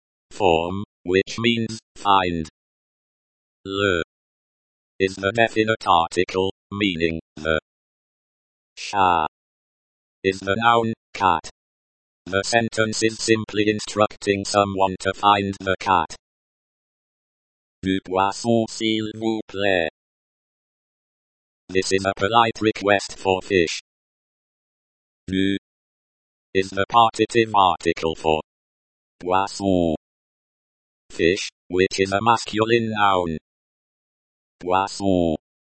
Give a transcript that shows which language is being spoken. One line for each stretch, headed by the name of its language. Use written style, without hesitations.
English: form, which means find. Le is the definite article, meaning the
French: chat
English: is the noun, cat. The sentence is simply instructing someone to find the cat.
French: Du poisson, s'il vous plaît.
English: This is a polite request for fish.
French: Du
English: is the partitive article for
French: poisson,
English: fish, which is a masculine noun.
French: Poisson